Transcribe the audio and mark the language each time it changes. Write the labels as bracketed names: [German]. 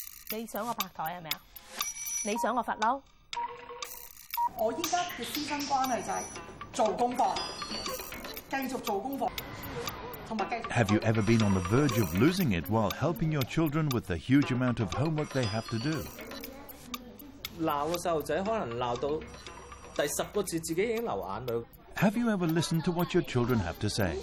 [Cantonese] 你想我拍台係咪啊？你想我發嬲？我依家嘅師生關係就係做功課，繼續做功課。 [English] Have you ever been on the verge of losing it while helping your children with the huge amount of homework they have to do? [Cantonese] 鬧個細路仔可能鬧到第十個字自己已經流眼淚。 [English] Have you ever listened to what your children have to say?